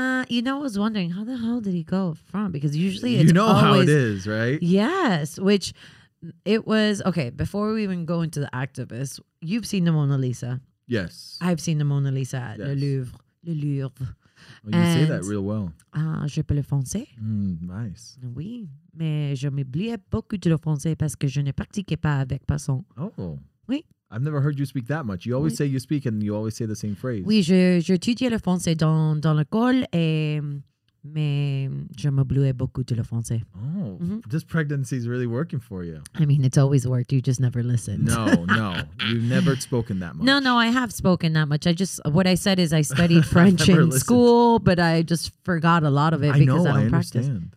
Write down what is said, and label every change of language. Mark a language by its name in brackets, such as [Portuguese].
[English] You know, I was wondering, how the hell did he go up front? Because usually it's always... how it is, right? Yes, which it was... Okay, before we even go into the activists, you've seen the Mona Lisa. Yes. I've seen the Mona Lisa at Le Louvre. Le Louvre. Well, you say that real well. [French] Je peux le français. [English] Nice. [French] Oui, mais je m'oubliais beaucoup de le français parce que je ne pratiquais pas avec personne. [English] Oh. [French] Oui. [English] I've never heard you speak that much. You always say you speak and you always say the same phrase. [French] Oui, je étudiais le français dans l'école, mais je m'oubliais beaucoup de le français. [English] Oh, this pregnancy is really working for you. I mean, it's always worked. You just never listened. No. You've never spoken that much. No, I have spoken that much. What I said is I studied French in school, but I just forgot a lot of it because I don't practice.